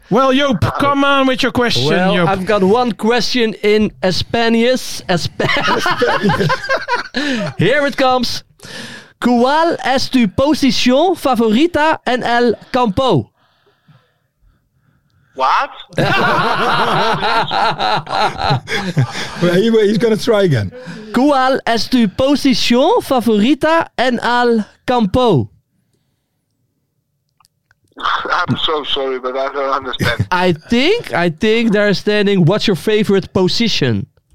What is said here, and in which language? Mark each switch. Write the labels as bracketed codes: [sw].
[en] Well, Joop, come on with your question. Well, Joop. I've got one question in Espanius. Here it comes. [es] ¿Cuál es tu posición favorita en el campo? [en] What? he's going to try again. [es] ¿Cuál es tu posición favorita en el campo? [en] I'm so sorry, but I don't understand. I think they're standing. What's your favorite position?